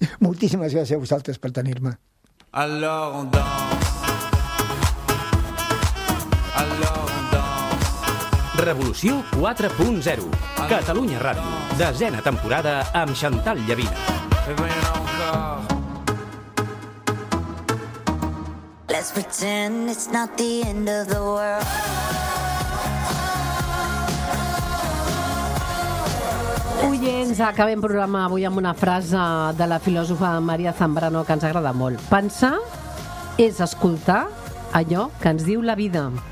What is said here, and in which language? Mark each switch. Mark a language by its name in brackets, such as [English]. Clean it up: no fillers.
[Catalan] Moltíssimes gràcies a vosaltres per tenir-me. [French] Alors on danse. Alors on danse. Revolució 4.0. Catalunya Ràdio. [Catalan] Desena temporada amb Chantal Llavina. [English] Let's pretend it's not the end of the world. [Catalan] Oients, acabem programa avui amb una frase de la filòsofa Maria Zambrano que ens agrada molt. Pensar és escoltar allò que ens diu la vida.